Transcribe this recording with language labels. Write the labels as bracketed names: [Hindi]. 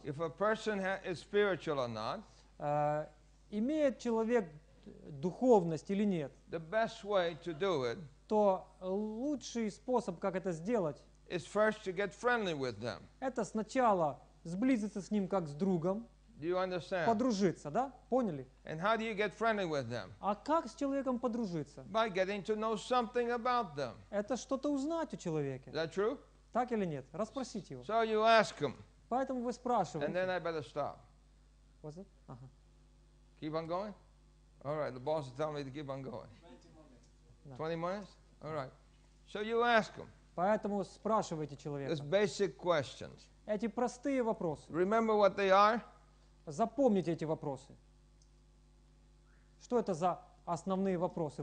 [English] if a person is spiritual or not, [Russian] имеет человек духовность или нет, [English] the best way to do it, [Russian] то лучший способ, как это сделать, [English] is first to get friendly with them. [Russian] Это сначала сблизиться с ним как с другом. [English] Do you understand? [Russian] Подружиться, да? Поняли? [English] And how do you get friendly with them? [Russian] А как с человеком подружиться? [English] By getting to know something about them. [Russian] Это что-то узнать о человеке. [English] Is that true? [Russian] Так или нет? Расспросить его. [English] So you ask him. [Russian] Поэтому вы спрашиваете. [English] And then I better stop. Was it? Keep on going? All right, the boss is telling me to keep on going. 20 minutes. 20 minutes? All right. So you ask him. [Russian] Поэтому спрашивайте человека. [English] It's basic questions. [Russian] Эти простые вопросы. [English] Remember what they are? [Russian] Запомните эти вопросы. Что это за основные вопросы?